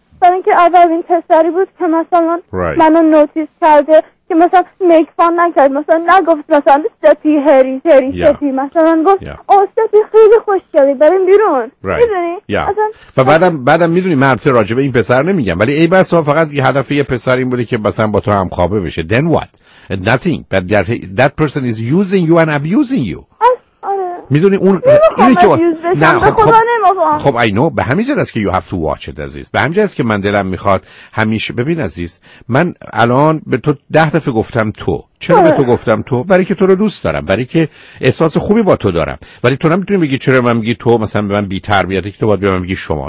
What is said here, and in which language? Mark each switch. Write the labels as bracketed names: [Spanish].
[Persian] برای اینکه اولین پسری بود که مثلا منو نوتیس کرده، که مثلا [English] make fun [Persian] نکرد، مثلا نگفت مثلا ستی هری هری ستی، مثلا گفت ستی خیلی خوشگلی، بریم بیرون. و بعدم میدونی من حرف راجع به این پسر نمیگم، ولی ای بس فقط یه هدف یه پسر این بوده که مثلا با تو هم خوابه بشه. [English] Then what? Nothing. But that person is using you and abusing you. [Persian] میدونی اون اینه که نه خب خب [English] I know, [Persian] به همین جاست که [English] you have to watch it [Persian] عزیز، به همین جاست که من دلم میخواد همیشه ببین عزیز، من الان به تو 10 دفعه گفتم تو، چرا به تو گفتم تو؟ برای که تو رو دوست دارم، برای که احساس خوبی با تو دارم. ولی تو نمیتونی بگی چرا من میگی تو مثلا به من بی تربیتی که تو باید به من بگی شما.